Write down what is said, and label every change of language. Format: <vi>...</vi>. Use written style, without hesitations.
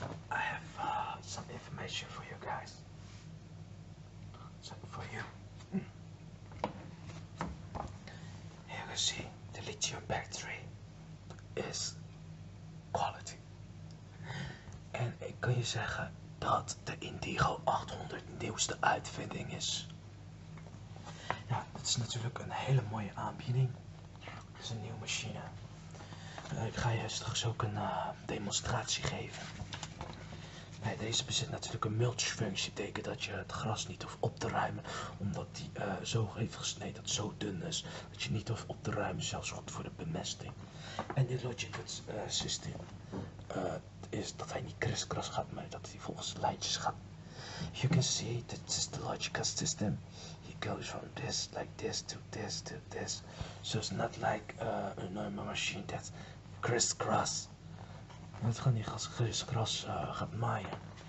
<en>I have some information for you guys. Something for you. Here you can see the lithium battery is quality.</en> <nl>En ik kan je zeggen dat de Indego 800 nieuwste uitvinding is. Ja, het is natuurlijk een hele mooie aanbieding. Het is een nieuwe machine. Ik ga je straks ook een demonstratie geven. Nee, deze bezit natuurlijk een mulchfunctie, betekent dat je het gras niet hoeft op te ruimen omdat die zo heeft gesneden, dat het zo dun is, dat je niet hoeft op te ruimen, zelfs goed voor de bemesting. En dit logic systeem is dat hij niet kriskras gaat, maar dat hij volgens lijntjes gaat.</nl> <en>You can see, this is the logic system. He goes from this, like this, to this, to this. So it's not like a normal machine that kriskras.</en> <nl>Het gaat niet als gras gaat maaien.</nl>